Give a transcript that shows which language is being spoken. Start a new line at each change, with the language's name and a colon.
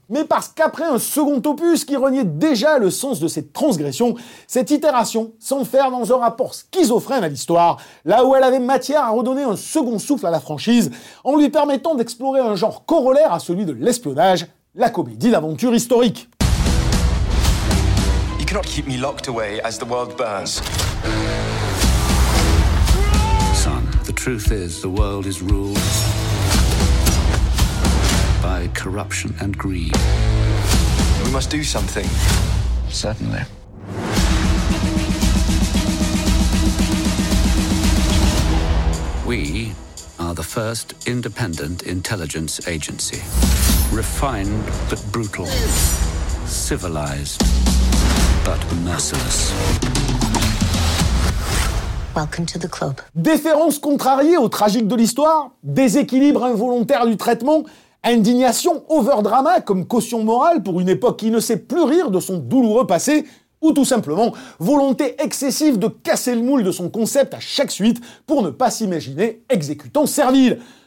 French: Mais parce qu'après un second opus qui reniait déjà le sens de cette transgression, cette itération s'enferme dans un rapport schizophrène à l'histoire, là où elle avait matière à redonner un second souffle à la franchise, en lui permettant d'explorer un genre corollaire à celui de l'espionnage, la comédie d'aventure historique.
English: You cannot keep me locked away as the world burns. Son, the truth is the world is ruled. By corruption and greed. We must do something. Certainly. We are the first independent intelligence agency. Refined but brutal. Civilized but merciless. Welcome to the club.
French: Déférence contrariée au tragique de l'histoire, déséquilibre involontaire du traitement, indignation, overdrama comme caution morale pour une époque qui ne sait plus rire de son douloureux passé, ou tout simplement, volonté excessive de casser le moule de son concept à chaque suite pour ne pas s'imaginer exécutant servile.